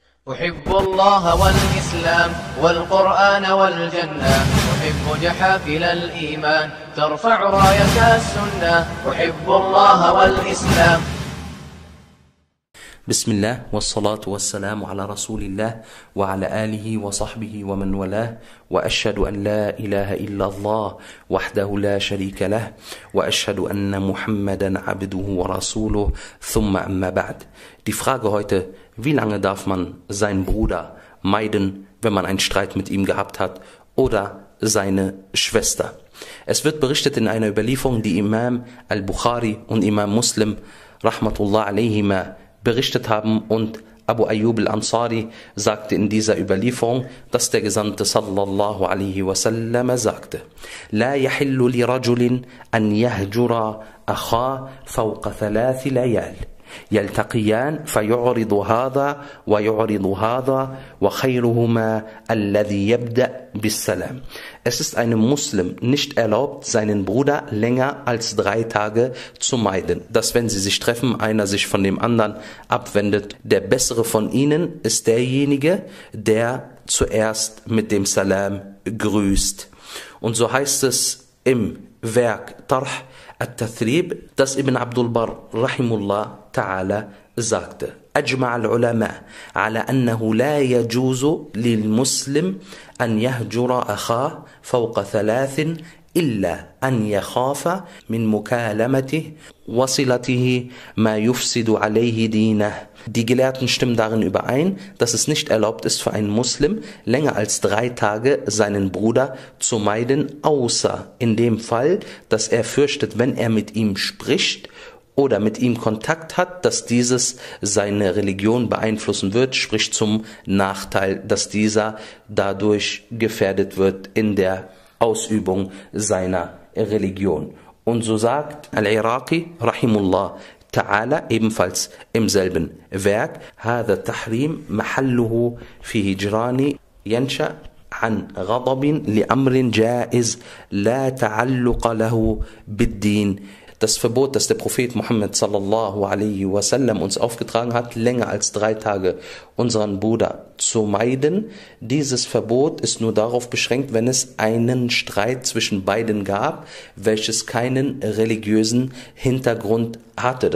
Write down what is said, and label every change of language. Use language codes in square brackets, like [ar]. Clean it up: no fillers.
[ar] أحب الله والإسلام والقرآن والجنة، أحب جحافل الإيمان ترفع راية السنة، أحب الله والإسلام. بسم الله والصلاة والسلام على رسول الله وعلى آله وصحبه ومن والاه، وأشهد أن لا إله إلا الله وحده لا شريك له، وأشهد أن محمدا عبده ورسوله. ثم أما بعد، [de] die Frage heute: Wie lange darf man seinen Bruder meiden, wenn man einen Streit mit ihm gehabt hat, oder seine Schwester? Es wird berichtet in einer Überlieferung, die Imam al-Bukhari und Imam Muslim rahmatullah alayhima berichtet haben, und Abu Ayyub al-Ansari sagte in dieser Überlieferung, dass der Gesandte sallallahu alaihi wasallam sagte: [ar] لا يحل لرجل أن يهجر أخا فوق ثلاث ليال يلتقيان فيعرض هذا ويعرض هذا وخيرهما الذي يبدأ بالسلام. [de] Es ist einem Muslim nicht erlaubt, seinen Bruder länger als 3 Tage zu meiden, dass wenn sie sich treffen, einer sich von dem anderen abwendet. Der bessere von ihnen ist derjenige, der zuerst mit dem Salam grüßt. Und so heißt es im Werk Tarh al-Tathrib, dass Ibn Abdul Barr rahimullah ta'ala sagte: [ar] أجمع العلماء على أنه لا يجوز للمسلم أن يهجر أخاه فوق 3 إلا أن يخاف من مكالمته وصلته ما يفسد عليه دينه. [de] Die Gelehrten stimmen darin überein, dass es nicht erlaubt ist für einen Muslim, länger als 3 Tage seinen Bruder zu meiden, außer in dem Fall, dass er fürchtet, wenn er mit ihm spricht oder mit ihm Kontakt hat, dass dieses seine Religion beeinflussen wird, sprich zum Nachteil, dass dieser dadurch gefährdet wird in der Ausübung seiner Religion. Und so sagt Al-Iraqi rahimullah ta'ala ebenfalls im selben Werk: [ar] هذا التحريم محله في هجران ينشأ عن غضب لأمر جائز لا تعلق له بالدين. [de] Das Verbot, das der Prophet Muhammad sallallahu alaihi wasallam uns aufgetragen hat, länger als 3 Tage unseren Bruder zu meiden, dieses Verbot ist nur darauf beschränkt, wenn es einen Streit zwischen beiden gab, welches keinen religiösen Hintergrund hatte.